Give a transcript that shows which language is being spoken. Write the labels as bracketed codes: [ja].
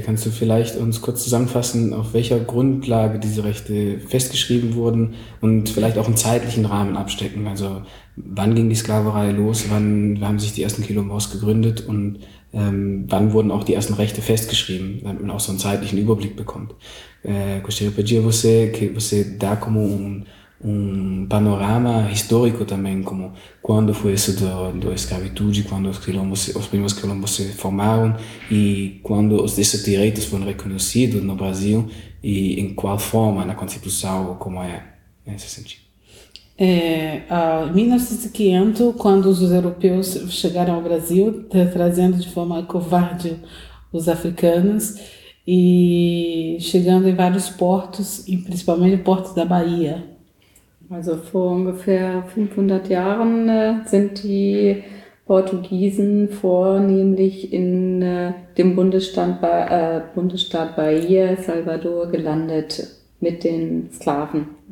[de] Kannst du vielleicht uns kurz zusammenfassen, auf welcher Grundlage diese Rechte festgeschrieben wurden und vielleicht auch einen zeitlichen Rahmen abstecken? Also wann ging die Sklaverei los, wann haben sich die ersten Quilombos gegründet und wann wurden auch die ersten Rechte festgeschrieben, damit man auch so einen zeitlichen Überblick bekommt? [pt] Gostaria de pedir a você que você dá como um panorama histórico também, como quando foi isso da escravidão, quando os primeiros quilombos se formaram e quando esses direitos foram reconhecidos no Brasil e em qual forma, na Constituição, como é nesse sentido. Em 1500, quando os europeus chegaram ao Brasil, trazendo de forma covarde os africanos e chegando em vários portos, e principalmente portos da Bahia. [de] Also vor ungefähr 500 Jahren sind die Portugiesen vornehmlich in dem Bundesstaat Bahia, Salvador, gelandet mit den Sklaven.